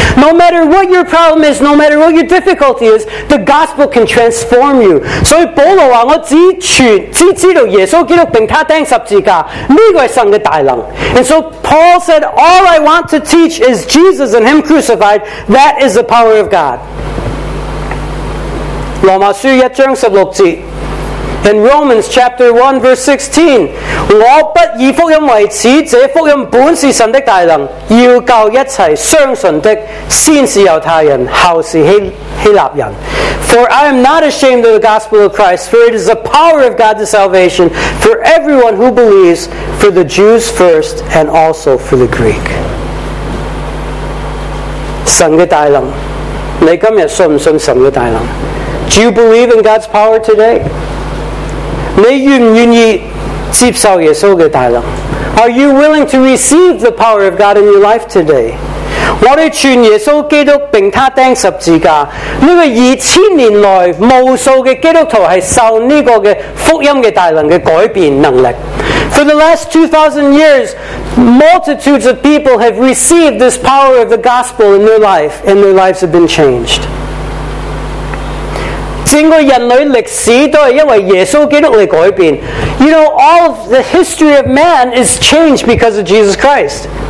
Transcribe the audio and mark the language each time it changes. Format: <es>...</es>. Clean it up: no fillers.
<en>No matter what your problem is, no matter what your difficulty is, the gospel can transform you.</en> <zh>所以保罗说，我只知道耶稣基督并他钉十字架，这个是神的大能。</zh> <en>And so Paul said, all I want to teach is Jesus and Him crucified. That is the power of God.</en> <zh>罗马书一章十六节。</zh> <en>In Romans chapter 1 verse 16,</en> <zh>我不以福音为耻，这福音本是神的大能，要救一切相信的，先是犹太人，后是希腊人。</zh> <en>For I am not ashamed of the gospel of Christ, for it is the power of God to salvation for everyone who believes, for the Jews first and also for the Greek.</en> <zh>神的大能，你今天信不信神的大能？</zh> <en>Do you believe in God's power today?</en> <zh>你愿不愿意接受耶稣的大能？</zh> <en>Are you willing to receive the power of God in your life today?</en> <zh>我们传耶稣基督并他钉十字架，这个2000年来无数的基督徒是受这个福音的大能的改变能力。</zh> <en>For the last 2,000 years, multitudes of people have received this power of the gospel in their life, and their lives have been changed.</en> <zh>整个人类历史都是因为耶稣基督来改变。</zh> <en>You know, all of the history of man is changed because of Jesus Christ.</en>